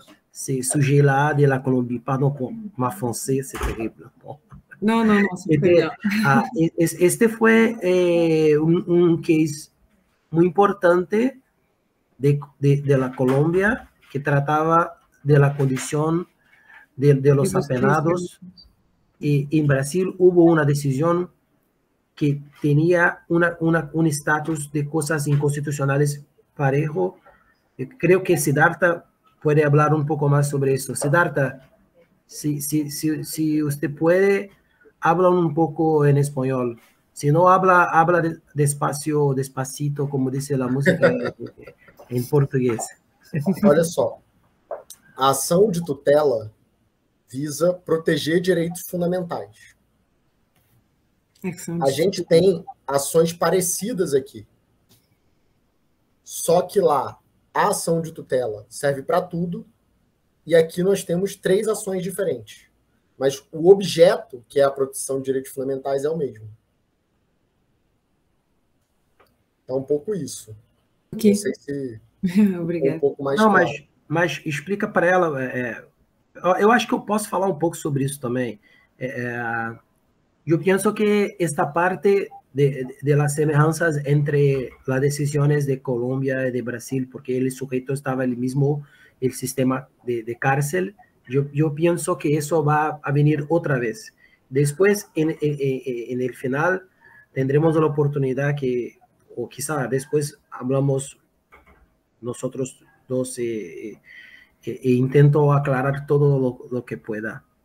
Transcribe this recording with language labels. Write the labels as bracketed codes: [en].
[fr] Ces sujets-là de la Colombie. Pardon pour ma français, c'est terrible. Bon. Non, c'est très bien. [es] Este fue un case muy importante de la Colombia que trataba de la condición de los apenados. Y en Brasil hubo una decisión que tenía un estatus de cosas inconstitucionales parejo. Creo que Siddhartha puede hablar un poco más sobre esto. Siddhartha, si usted puede, habla un poco en español. Si no habla, habla despacio, despacito, como dice la música en portugués. [pt] Olha só, a ação de tutela visa proteger direitos fundamentais. A gente tem ações parecidas aqui. Só que lá, a ação de tutela serve para tudo, e aqui nós temos três ações diferentes. Mas o objeto, que é a proteção de direitos fundamentais, é o mesmo. Então, um pouco isso. Okay. Não sei se... Obrigado. Um pouco mais claro. Mas explica para ela. Eu acho que eu posso falar um pouco sobre isso também. [es] Yo pienso que esta parte de las semejanzas entre las decisiones de Colombia y de Brasil, porque el sujeto estaba en el mismo el sistema de cárcel, yo pienso que eso va a venir otra vez. Después, en el final, tendremos la oportunidad que, o quizá después hablamos nosotros dos e intento aclarar todo lo que pueda.